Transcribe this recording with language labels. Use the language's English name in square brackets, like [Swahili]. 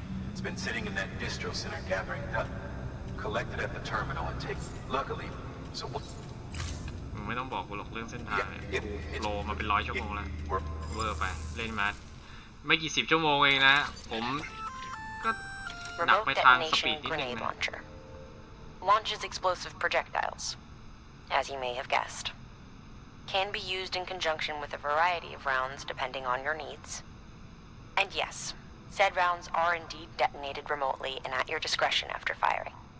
[English] It's been sitting in that distro center gathering dust, collected at the terminal and taken. Luckily, so [Thai] ไม่ต้องบอกกูหรอกเรื่องเส้นทางโลมาเป็นร้อยชั่วโมงแล้วเวอร์ไปเล่นมาไม่กี่สิบชั่วโมงเองนะผมก็หนักไปทางสปีดนิดนึงนะ [English] Launches explosive projectiles. As you may have guessed, can be used in conjunction with a variety of rounds depending on your needs. And yes, said rounds are indeed detonated remotely and at your discretion after firing.